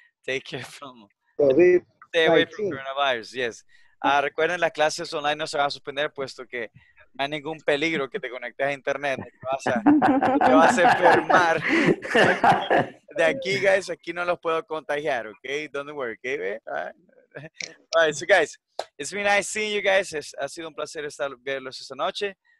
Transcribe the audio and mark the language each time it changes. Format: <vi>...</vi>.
<en>Take care from stay away from coronavirus. Yes.</en> <es>Recuerden, las clases online no se van a suspender puesto que no hay ningún peligro que te conectes a internet. Te vas a enfermar. De aquí, guys, aquí no los puedo contagiar, okay?</es> <en>Don't worry, okay? All right, so guys, it's been nice seeing you guys.</en> <es>Ha sido un placer estar verlos esta noche.</es>